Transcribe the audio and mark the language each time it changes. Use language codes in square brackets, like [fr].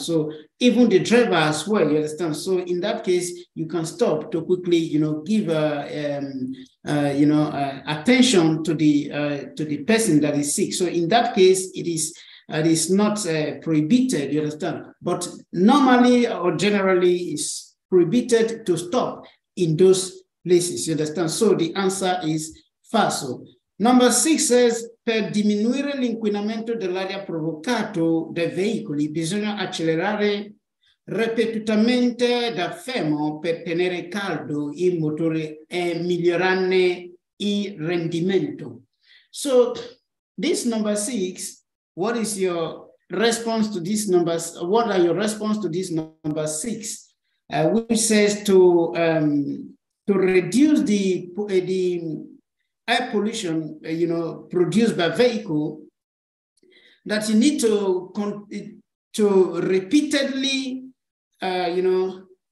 [en] So even the driver as well. You understand? So in that case, you can stop to quickly, you know, give you know, attention to the person that is sick. So in that case, it is not prohibited. You understand? But normally or generally, it's prohibited to stop in those places. You understand? So the answer is falso. Number six says, [it] per diminuire l'inquinamento dell'aria provocato dai veicoli, bisogna accelerare ripetutamente da fermo per tenere caldo il motore e migliorarne il rendimento. [en] So this number six, what is your response to this number? What are your response to this number six, which says to reduce the air pollution, you know, produced by vehicle, that you need to repeatedly, you